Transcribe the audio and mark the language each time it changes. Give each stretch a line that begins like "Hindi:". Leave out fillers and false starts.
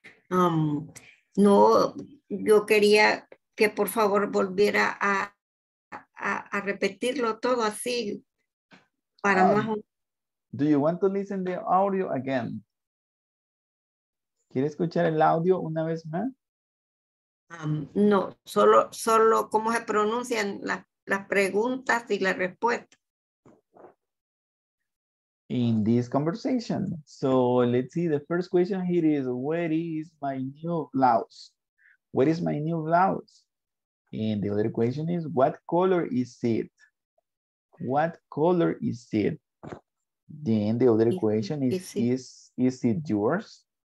Spanish: No, yo quería que por favor volviera a repetirlo todo así para más.
English: Do you want to listen the audio again?
Spanish: ¿Quieres escuchar el audio una vez más? No, solo cómo se pronuncian las preguntas y las respuestas.
English: In this conversation. So let's see, the first question here is, where is my new blouse? Where is my new blouse? And the other question is, what color is it? What color is it? Then the other question is it yours?